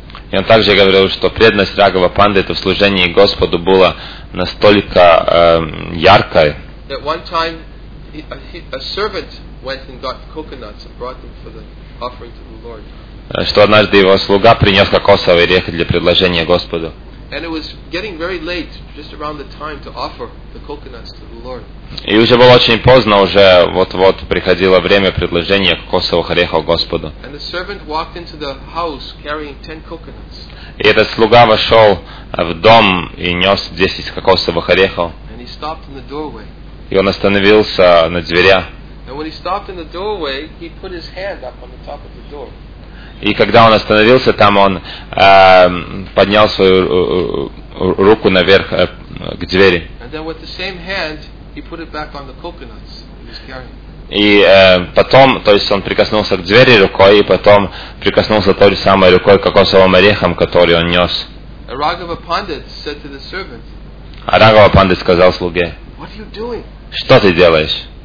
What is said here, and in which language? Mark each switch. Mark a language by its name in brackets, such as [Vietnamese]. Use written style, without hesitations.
[Russian] И он также говорил, что преданность Раghava Pandita в служении Господу была настолько яркой. [English] At one time, a servant went and got coconuts and brought them for the offering to the Lord. [Russian] Что однажды его слуга принес кокосовые орехи для предложения Господу. [English] And it was getting very late, just around the time to offer the coconuts to the Lord. [Russian] И уже было очень поздно, уже вот-вот приходило время предложения кокосовых орехов Господу. [English] And the servant walked into the house carrying 10 coconuts. [Russian] И этот слуга вошел в дом и нес 10 кокосовых орехов. [English] And he stopped in the doorway. [Russian] И он остановился на дверях. [English] And when he stopped in the doorway, he put his hand up on the top of the door. [Russian] И когда он остановился там, он поднял свою руку наверх к двери. [English] And then with the same hand, he put it back on the coconuts he was carrying. [Russian] И потом, то есть он прикоснулся к двери рукой, и потом прикоснулся той же самой рукой к кокосовым орехам, которые он нес. Арагава Пандит сказал слуге, что ты делаешь?